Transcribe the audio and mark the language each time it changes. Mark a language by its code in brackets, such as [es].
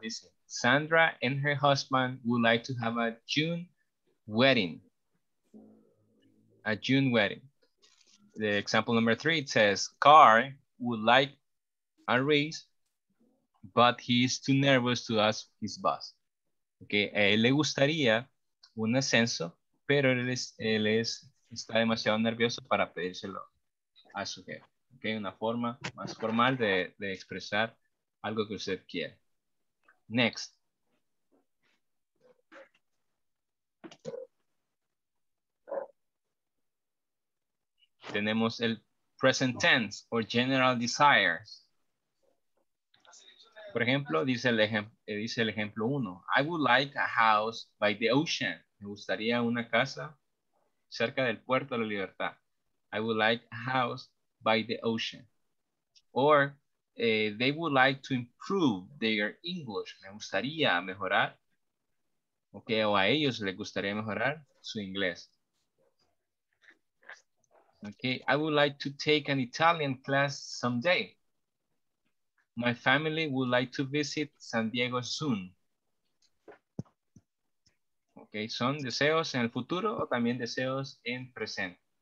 [en] Dice, Sandra and her husband would like to have a June wedding. A June wedding. The example number three, it says, Carl would like a raise, but he is too nervous to ask his boss. [es] Okay, a él le gustaría un ascenso, pero él está demasiado nervioso para pedírselo a su jefe. Okay, una forma más formal de expresar algo que usted quiere. [en] Next. [es] Tenemos el [en] present tense or general desires. [es] Por ejemplo, dice el ejemplo uno. [en] I would like a house by the ocean. [es] Me gustaría una casa cerca del puerto de la libertad. [en] I would like a house by the ocean. Or they would like to improve their English. [es] Me gustaría mejorar. Okay, o a ellos les gustaría mejorar su inglés. [en] Okay, I would like to take an Italian class someday. My family would like to visit San Diego soon. [es] Okay, son deseos en el futuro o también deseos en presente.